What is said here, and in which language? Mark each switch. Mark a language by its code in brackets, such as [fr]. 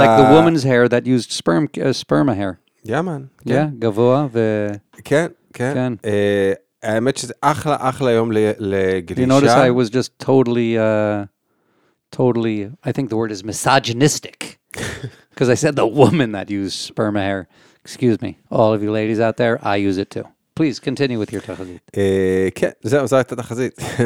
[en] Like the woman's hair that used sperm, sperma hair. Yeah, man. [he] כן. [en] Yeah, [he] גבוה ו... כן, כן. כן. האמת שזה אחלה, אחלה יום לגלישה. [en] You notice I was just totally, totally, I think the word is misogynistic. Because I said the woman that used sperma hair. Excuse me, all of you ladies out there, I use it too. Please continue with your תחזית. [he] כן, זהו, זו הייתה תחזית.